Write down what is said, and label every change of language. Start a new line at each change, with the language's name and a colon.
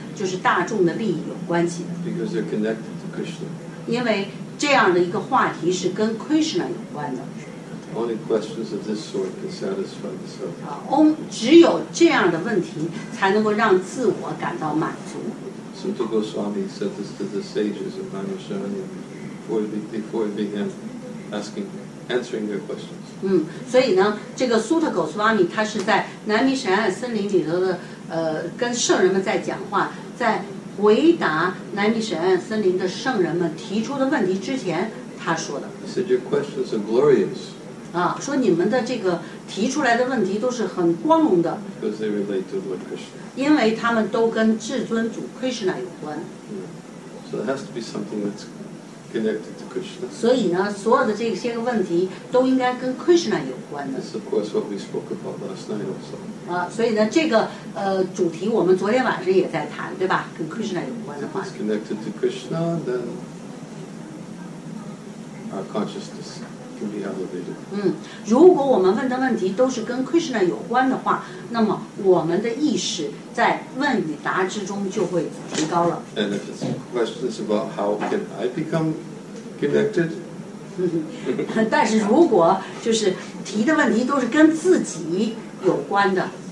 Chinese: 他说你们的问题提的就是非常有意义哈，因为他们是跟就是大众的利益有关系的。
English: Because they're connected to Krishna.
Chinese: 因为这样的一个话题是跟 Krishna 有关的。
English: Only questions of this sort can satisfy the soul.
Chinese: 只有这样的问题才能够让自我感到满足。
English: Sutta Goswami said this to the sages of Naimisharanya before he began answering their questions.
Chinese: 所以呢，这个苏特狗苏阿米他是在南米舍安森林里头的跟圣人们在讲话，在回答南米舍安森林的圣人们提出的问题之前，他说的。
English: He said your questions are glorious.
Chinese: 说你们的这个提出来的问题都是很光荣的。
English: Because they relate to Lord Krishna.
Chinese: 因为他们都跟至尊主 Krishna 有关。
English: So it has to be something that's connected to Krishna.
Chinese: 所以呢，所有的这些个问题都应该跟 Krishna 有关的。
English: This is of course what we spoke about last night also.
Chinese: 啊，所以呢，这个主题我们昨天晚上也在谈，对吧？跟 Krishna 有关的话。
English: If it's connected to Krishna, then our consciousness can be elevated.
Chinese: 嗯，如果我们问的问题都是跟 Krishna 有关的话，那么我们的意识在问与答之中就会提高了。
English: And if it's questions about how can I become connected?
Chinese: 但是如果就是提的问题都是跟自己有关的。